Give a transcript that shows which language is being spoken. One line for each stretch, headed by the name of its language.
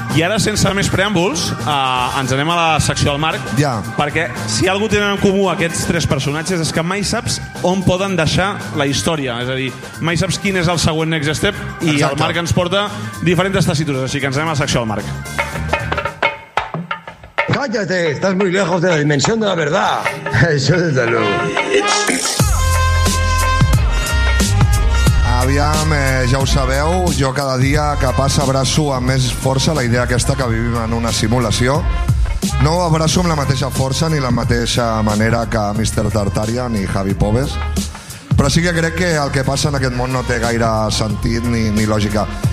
Catalan: I ara, sense més preàmbuls, ens anem a la secció del Marc. Ja. Perquè si algú tenen en comú aquests tres personatges és que mai saps on poden deixar la història. És a dir, mai saps quin és el següent next step i exacte. El Marc ens porta diferents tessitures. Així que ens anem a la secció del Marc.
Spanish: Cállate, estás muy lejos de la dimensión de la verdad. Eso es de luz.
Catalan: Aviam, ja ho sabeu, jo cada dia que passa abraço amb més força la idea aquesta que vivim en una simulació. No ho abraço amb la mateixa força ni la mateixa manera que Mr. Tartaria ni Javi Pobes, però sí que crec que el que passa en aquest món no té gaire sentit ni lògica.